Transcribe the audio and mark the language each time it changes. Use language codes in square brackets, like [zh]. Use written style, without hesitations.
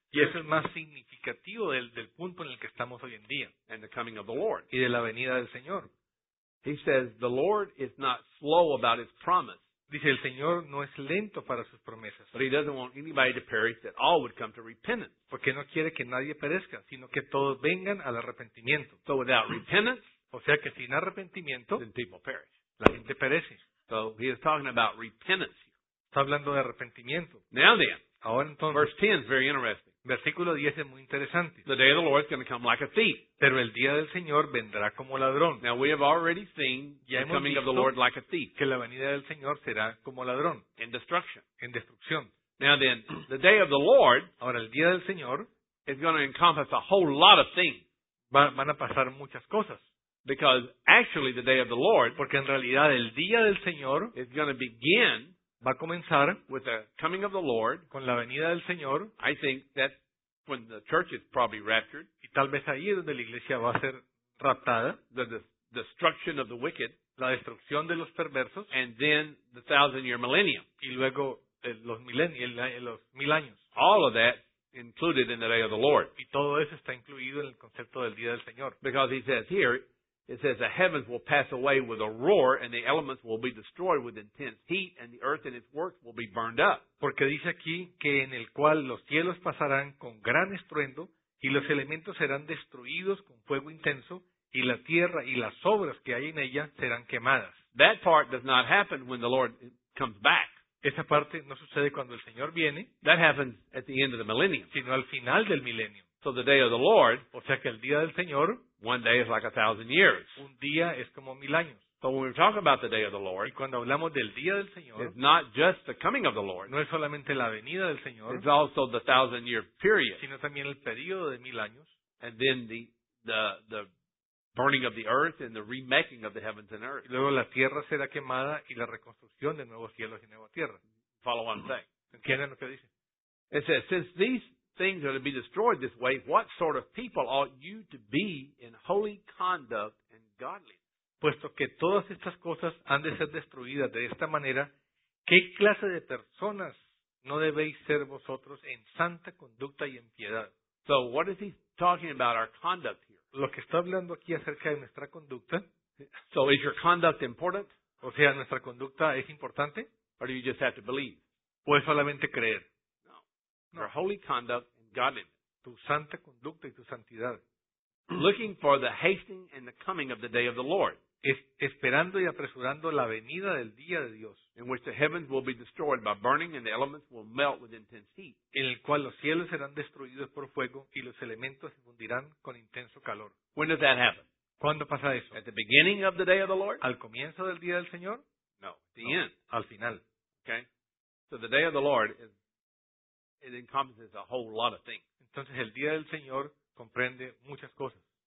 [es] Y eso es más significativo del punto en el que estamos hoy en día. [en] And the coming of the Lord. [es] Y de la venida del Señor. [en] He says, the Lord is not slow about his promise. [es] Dice, el Señor no es lento para sus promesas. [en] But he doesn't want anybody to perish, that all would come to repentance. [es] Porque no quiere que nadie perezca, sino que todos vengan al arrepentimiento. [en] So without repentance, [es] o sea que sin arrepentimiento, [en] then people perish. [es] La gente perece. [en] So he is talking about repentance. [es] Está hablando de arrepentimiento. [en] Now then, [es] ahora entonces, [en] verse 10 is very interesting. [es] Versículo 10 es muy interesante. [en] The day of the Lord is going to come like a thief. [es] Pero el día del Señor vendrá como ladrón. [en] Now we have already seen [es] ya [en] the coming of the Lord like a thief. [es] Que la venida del Señor será como ladrón. [en] In destruction. [es] En destrucción. [en] Now then, the day of the Lord, [es] ahora, el día del Señor [en] is going to encompass a whole lot of things. [es] Van a pasar muchas cosas. [en] Because actually the day of the Lord, [es] porque en realidad el día del Señor [en] is going to begin. [es] Va a comenzar [en] with the coming of the Lord, [es] con la venida del Señor. [en] I think that's when the church is probably raptured. [es] Y tal vez ahí es donde la iglesia va a ser raptada. [en] The destruction of the wicked. [es] La destrucción de los perversos. [en] And then the thousand-year millennium. [es] Y luego los mil años. [en] All of that included in the day of the Lord. [es] Y todo eso está incluido en el concepto del día del Señor. [en] Because he says here, it says, the heavens will pass away with a roar, and the elements will be destroyed with intense heat, and the earth and its works will be burned up. [es] Porque dice aquí que en el cual los cielos pasarán con gran estruendo, y los elementos serán destruidos con fuego intenso, y la tierra y las obras que hay en ella serán quemadas. [en] That part does not happen when the Lord comes back. [es] Esa parte no sucede cuando el Señor viene. [en] That happens at the end of the millennium. [es] Sino al final del milenio. [en] So the day of the Lord, [es] o sea que el día del Señor, [en] one day is like 1,000 years. [es] Un día es como 1,000 años. [en] But when we talk about the day of the Lord, [es] y cuando hablamos del día del Señor, [en] it's not just the coming of the Lord. [es] No es solamente la venida del Señor. [en] It's also the 1,000-year period. [es] Sino también el periodo de 1,000 años. [en] And then the burning of the earth and the remaking of the heavens and earth. [es] Y luego la tierra será quemada y la reconstrucción de nuevos cielos y nueva tierra. [en] Follow what I'm saying. [es] ¿Entienden lo que dice? [en] It says, since these things are to be destroyed this way, what sort of people ought you to be in holy conduct and godliness? [es] Puesto que todas estas cosas han de ser destruidas de esta manera, ¿qué clase de personas no debéis ser vosotros en santa conducta y en piedad? [en] So what is he talking about our conduct here? [es] Lo que está hablando aquí acerca de nuestra conducta. [en] So is your conduct important? [es] O sea, ¿nuestra conducta es importante? [en] Or do you just have to believe? [es] ¿Puedes solamente creer? [en] Our holy conduct and godliness. [es] tu santa conducta y tu santidad. [en] Looking for the hasting and the coming of the day of the Lord. [es] Esperando y apresurando la venida del día de Dios. [en] In which the heavens will be destroyed by burning and the elements will melt with intense heat. [es] En el cual los cielos serán destruidos por fuego y los elementos se fundirán con intenso calor. [en] When does that happen? [es] ¿Cuándo pasa eso? [en] At the beginning of the day of the Lord? [es] ¿Al comienzo del día del Señor? [en] No. The no. End. [es] Al final. [en] Okay. So the day of the Lord is, it encompasses a whole lot of things. [es] Entonces el día del Señor comprende muchas cosas.